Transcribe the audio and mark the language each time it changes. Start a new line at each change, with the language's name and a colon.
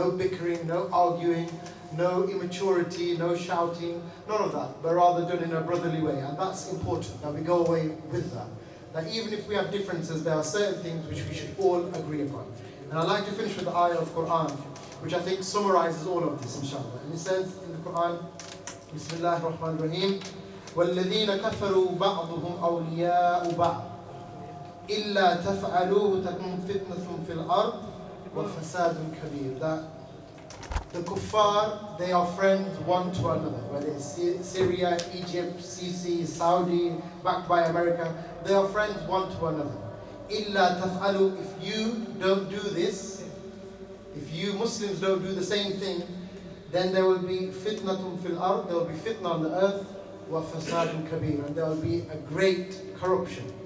English: No bickering, no arguing, no immaturity, no shouting, none of that, but rather done in a brotherly way. And that's important, that we go away with that. That even if we have differences, there are certain things which we should all agree upon. And I'd like to finish with the ayah of Quran, which I think summarizes all of this, inshallah. And it says in the Quran,
Arabic: Bismillah ar-Rahman ar-Rahim, وَالَّذِينَ كَفَرُوا بَعْضُهُمْ أَوْلِيَاءُ بَعْضٍ إِلَّا تَفْعَلُوهُ تَكُمْ فِتْنَةٌ فِي الْأَرْضِ وَالْفَسَادٌ كَبِيرٌ.
English: That the kuffar, they are friends one to another, whether it's Syria, Egypt, Sisi, Saudi, backed by America, they are friends one to another.
Arabic: إِلَّا تَفْعَلُوا,
English: if you don't do this, if you Muslims don't do the same thing, then there will be
Arabic: fitnatun fil ard,
English: there will be fitna on the earth,
Arabic: wa fasadun kabir,
English: and there will be a great corruption.